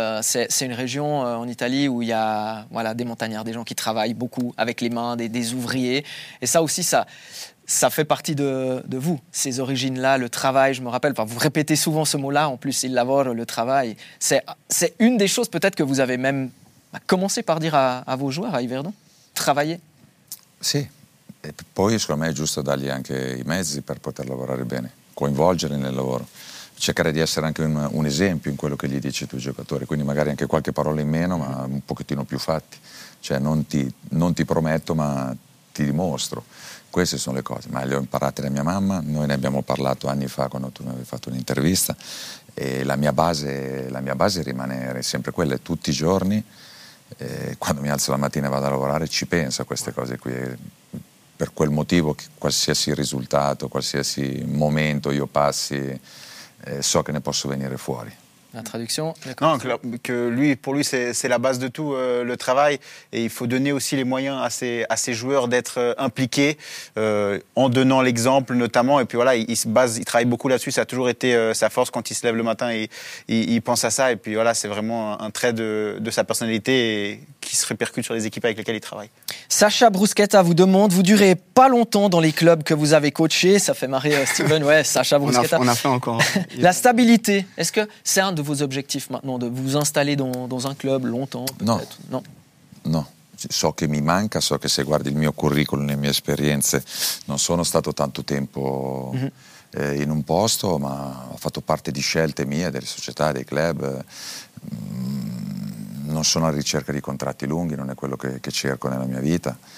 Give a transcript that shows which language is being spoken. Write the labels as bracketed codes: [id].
[fr] C'est une région en Italie où il y a des montagnards, des gens qui travaillent beaucoup avec les mains, des ouvriers. Et ça aussi, ça fait partie de vous, ces origines-là, le travail, je me rappelle. Enfin, vous répétez souvent ce mot-là, en plus, il lavore, le travail. C'est une des choses, peut-être, que vous avez même commencé par dire à vos joueurs, à Yverdon, travailler. [it] Sì. E poi, secondo me, è giusto dargli anche i mezzi per poter lavorare bene, coinvolgere nel lavoro, cercare di essere anche un esempio in quello che gli dici tu, giocatore. Quindi magari anche qualche parola in meno, ma un pochettino più fatti. Cioè, non ti prometto, ma ti dimostro. Queste sono le cose, ma le ho imparate da mia mamma, noi ne abbiamo parlato anni fa quando tu mi avevi fatto un'intervista e la mia base rimane sempre quella, tutti i giorni, quando mi alzo la mattina e vado a lavorare ci penso a queste cose qui, per quel motivo che qualsiasi risultato, qualsiasi momento io passi, so che ne posso venire fuori. [fr] La traduction, non, que lui, pour lui, c'est la base de tout, le travail. Et il faut donner aussi les moyens à ses joueurs d'être impliqués, en donnant l'exemple notamment. Et puis voilà, il travaille beaucoup là-dessus. Ça a toujours été sa force quand il se lève le matin et il pense à ça. Et puis voilà, c'est vraiment un trait de sa personnalité et qui se répercute sur les équipes avec lesquelles il travaille. Sacha Bruschetta vous demande, vous durez pas longtemps dans les clubs que vous avez coachés. Ça fait marrer Steven. Ouais, Sacha Bruschetta. On a fait encore. La stabilité, est-ce que c'est un de vos objectifs maintenant, de vous installer dans un club longtemps peut-être. Non. Non. Non. [it] So che mi manca, so che se guardi il mio curriculum, le mie esperienze, non sono stato tanto tempo in un posto, ma ho fatto parte di scelte mie, delle società, dei club. Non sono a ricerca di contratti lunghi, non è quello che cerco nella mia vita.